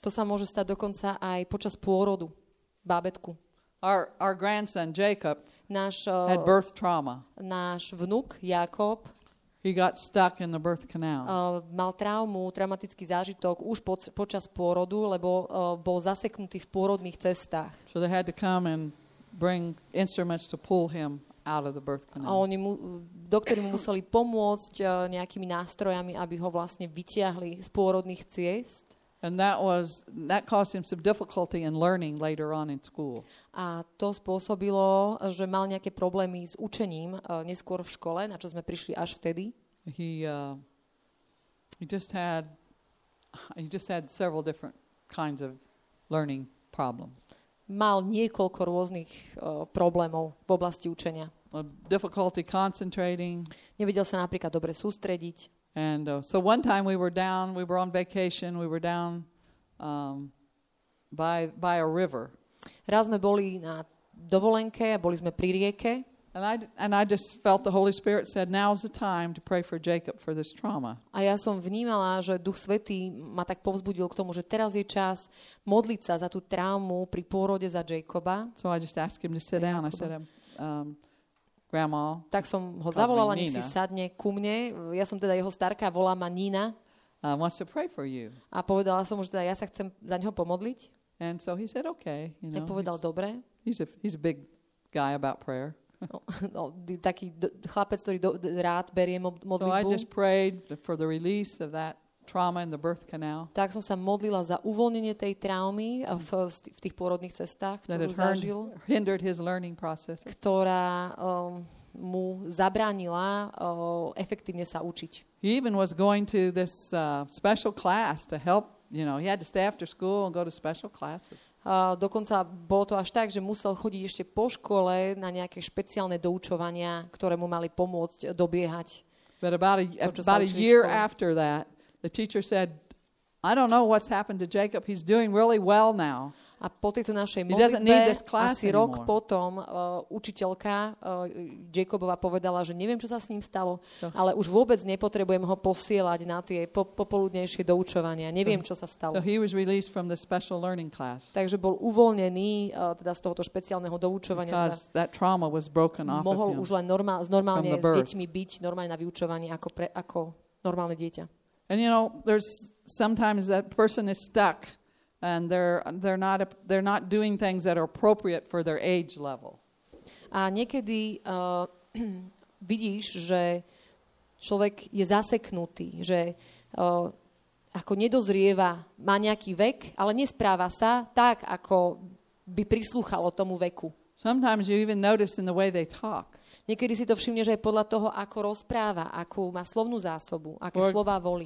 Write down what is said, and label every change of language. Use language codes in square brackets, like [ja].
[sk] To sa môže stať dokonca aj počas pôrodu. Bábetku. [en] Our grandson Jacob had birth trauma. [sk] Náš vnuk Jakob. [en] He got stuck in the birth canal. [sk] Mal traumu, traumatický zážitok už počas pôrodu, lebo bol zaseknutý v pôrodných cestách. [en] So they had to come and bring instruments to pull him out of the birth canal. [sk] A oni doktori mu museli pomôcť nejakými nástrojami, aby ho vlastne vytiahli z pôrodných ciest. [en] And that caused him some difficulty in learning later on in school. [sk] A to spôsobilo, že mal nejaké problémy s učením neskôr v škole, na čo sme prišli až vtedy. [en] He just had several different kinds of learning problems. [sk] Mal niekoľko rôznych problémov v oblasti učenia. [en] Difficulty concentrating. [sk] Nevedel sa napríklad dobre sústrediť. [en] And so one time we were on vacation, we were down by a river. [sk] Raz sme boli na dovolenke a boli sme pri rieke. [en] And I just felt the Holy Spirit said, now's the time to pray for Jacob for this trauma. [sk] A ja som vnímala, že Duch Svätý ma tak povzbudil k tomu, že teraz je čas modliť sa za tú traumu pri pôrode za Jacoba. [en] So I just asked him to sit down. I said, Grandma, [sk] tak som ho zavolala, nech si sadne ku mne. Ja som teda jeho starka, volá ma Nina. [en] Wants to pray for you. [sk] A povedala som mu, že teda ja sa chcem za neho pomodliť. [en] And so he said, okay, you know. [sk] Tak povedal, dobre. [en] He's a big guy about prayer. [sk] taký chlapec, ktorý rád berie modlitbu. [en] So I just prayed for the release of that trauma in the birth canal. [sk] Tak som sa modlila za uvoľnenie tej traumy v tých pôrodných cestách, ktorú zažil. [en] Hindered his learning process. [sk] Ktorá mu zabránila efektívne sa učiť. [en] He even was going to this special class to help, you know, he had to stay after school and go to special classes. [sk] Dokonca bolo to až tak, že musel chodiť ešte po škole na nejaké špeciálne doučovania, ktoré mu mali pomôcť dobiehať. [en] But about a year after that, the teacher said, I don't know what's happened to Jacob. He's doing really well now. [sk] A po tejto našej modlitbe, asi rok potom, učiteľka Jacobova povedala, že neviem, čo sa s ním stalo, ale už vôbec nepotrebujem ho posielať na tie popoludnejšie doučovania. Neviem, čo sa stalo. [en] So he was released from the special learning class. [sk] Takže bol uvoľnený teda z tohoto špeciálneho doučovania. [en] Because that trauma was broken off of him. [sk] Mohol už len normálne s deťmi byť, normálne na vyučovanie ako normálne dieťa. [en] And you know, there's sometimes that person is stuck and they're not doing things that are appropriate for their age level. [sk] A niekedy vidíš, že človek je zaseknutý, že ako nedozrieva, má nejaký vek, ale nespráva sa tak, ako by prislúchalo tomu veku. [en] Sometimes you even notice in the way they talk. [sk] Niekedy si to všimne, že aj podľa toho, ako rozpráva, akú má slovnú zásobu, aké slová volí.